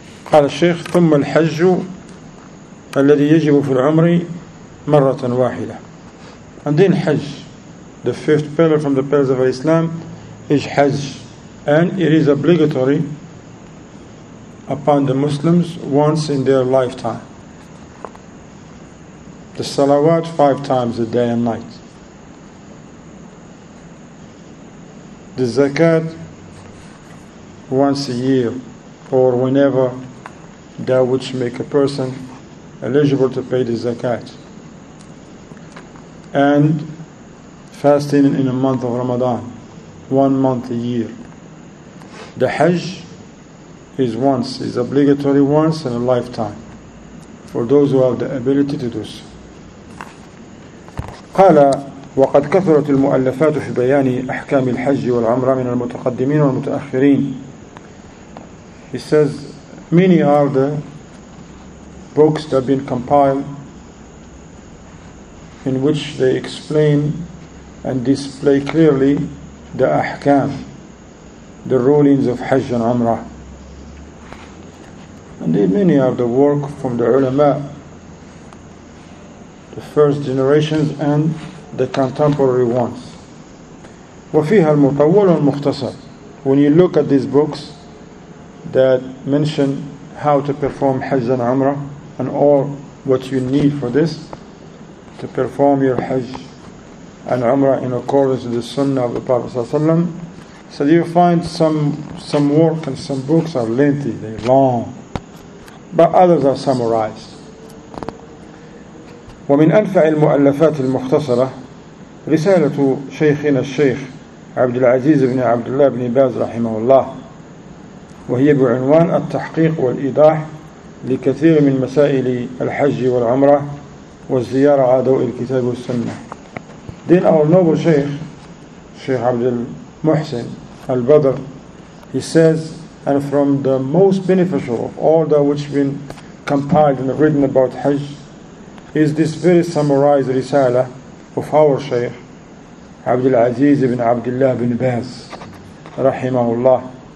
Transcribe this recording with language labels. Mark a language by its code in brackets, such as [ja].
[ar] قال الشيخ ثم الحج الذي يجب في العمر مرة واحدة. [en] And then Hajj, the fifth pillar from the pillars of Islam, is Hajj. And it is obligatory upon the Muslims once in their lifetime. The salawat five times a day and night. The zakat once a year or whenever that which make a person eligible to pay the zakat. And fasting in a month of Ramadan, 1 month a year. The Hajj is once, is obligatory once in a lifetime for those who have the ability to do so. [ar] قال وقد كثرت المؤلفات في بيان أحكام الحج والعمرة من المتقدمين والمتأخرين. [en] He says many are the books that have been compiled in which they explain and display clearly the أحكام, the rulings of Hajj and Umrah. Indeed, many are the work from the ulama, the first generations and the contemporary ones. [ar] وفيها المطول والمختصر. [en] When you look at these books that mention how to perform Hajj and Umrah and all what you need for this, to perform your Hajj and Umrah in accordance with the Sunnah of the Prophet ﷺ, So you find some work and some books are lengthy, they're long. But others are summarized. [ar] ومن أنفع المؤلفات المختصرة رسالة شيخنا الشيخ عبد العزيز بن عبد الله بن باز رحمه الله وهي بعنوان التحقيق والإيضاح لكثير من مسائل الحج والعمرة والزيارة على ضوء الكتاب والسنة. [en] Then our noble Sheikh, Sheikh Abdul-Muhsin al-Badr, he says, and from the most beneficial of all that which has been compiled and written about Hajj is this very summarized risala of our Shaykh Abdul Aziz ibn Abdullah ibn Baz rahimahullah